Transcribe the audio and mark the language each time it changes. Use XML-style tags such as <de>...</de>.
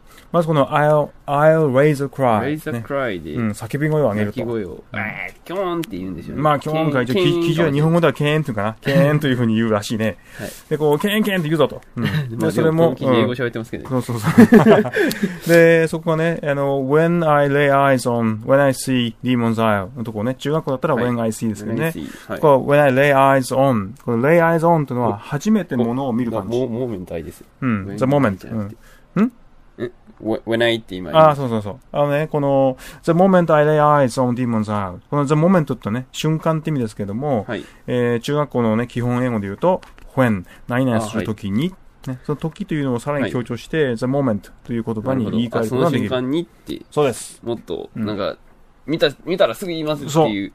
<en>まずこの I'll raise a cry, raise a cry で、</en> <ja>ね、叫び声を上げると叫び声をキョーンって言うんですよね。まあキョーンか、一応記事は日本語ではケーンって言うかな、ケーンというふうに言うらしいね。はい、でこうケーンケーンって言うぞと、でそれも記事英語喋ってますけど、そうそうそうでそこはね、</ja> <en>When I lay eyes on, when I see Demon's Isle</en> <ja>のところね、中学校だったら</ja> <en>When I see</en> <ja>ですけどね、はい、こう</ja> <en>When I lay eyes on、</en> <ja>この lay eyes on というのは初めてものを見る感じ、モーメントです、</ja> <en>The moment、 When I</en> <ja>って今言う。ああ、そうそうそう。あのね、この、</ja> <en>The moment I lay eyes on Demon's Isle。</en> <ja>この The moment ってね、瞬間って意味ですけども、はい、中学校のね、基本英語で言うと、When、何々するときに、はい、ね、その時というのをさらに強調して、はい、The moment という言葉に言い換えることができる。その瞬間にって。そうです。もっと、なんか、見たらすぐ言いますっていう。</ja>